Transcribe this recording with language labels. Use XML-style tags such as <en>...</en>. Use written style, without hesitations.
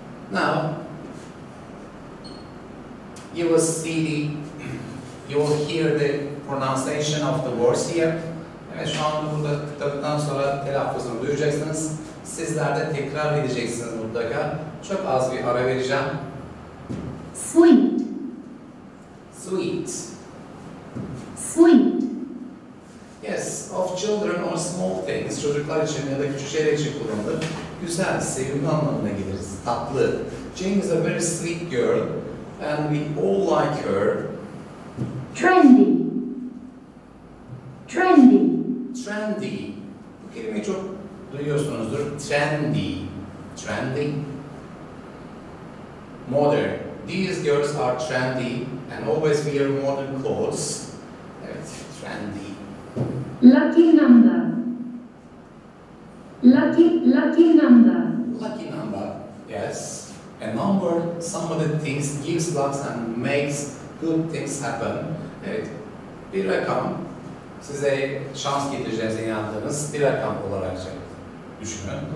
<en>Now, you will see the, you will hear the pronunciation of the words here.</en> <tr>Evet, şu an burada kitabından sonra telaffuzunu duyacaksınız. Sizler de tekrar edeceksiniz mutlaka. Çok az bir ara vereceğim.</tr> <en>Sweet. Sweet. Swing. Yes, of children or small things.</en> <tr>Çocuklar için ya da küçük şeyler için kullanılır. Güzel, sevimli anlamına geliriz. Tatlı.</tr> <en>Jane is a very sweet girl and we all like her. Trendy. Trendy.</en> <tr>Trendy. Bu kelimeyi çok duyuyorsunuzdur. Trendy. Trendy.</tr> <en>Modern. These girls are trendy and always wear modern clothes.</en> <tr>Evet, trendy.</tr> <en>Lucky number. Lucky number. Lucky number. Yes. A number, some of the things, gives luck and makes good things happen.</en> <tr>Evet. Bir rakam, size şans getireceğinize inandığınız bir rakam olarak düşünün.</tr>